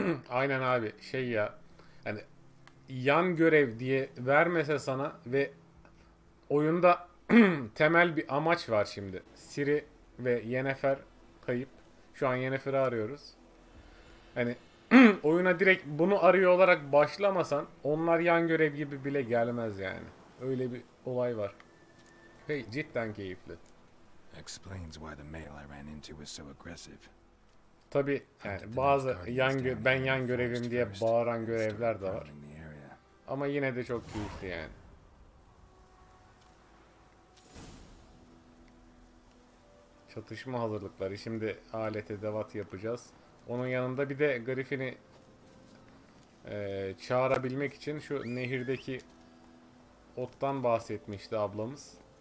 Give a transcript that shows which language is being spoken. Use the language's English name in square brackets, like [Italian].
[Turkish] Aynen abi, şey ya, hani yan görev diye vermese sana ve oyunda temel bir amaç var şimdi. Ciri ve Yennefer kayıp. Şu an Yennefer'i arıyoruz. Hani oyuna direkt bunu arıyor olarak başlamasan onlar yan görev gibi bile gelmez yani. Öyle bir olay var. Hey, cidden keyifli. [English] Explains why the male I ran into was so aggressive. [Turkish] Tabi yani bazı ben yan görevim diye bağıran görevler de var. Ama yine de çok keyifli yani. Çatışma hazırlıkları. Şimdi alete devat yapacağız. Onun yanında bir de griffin'i çağırabilmek için şu nehirdeki ottan bahsetmişti ablamız.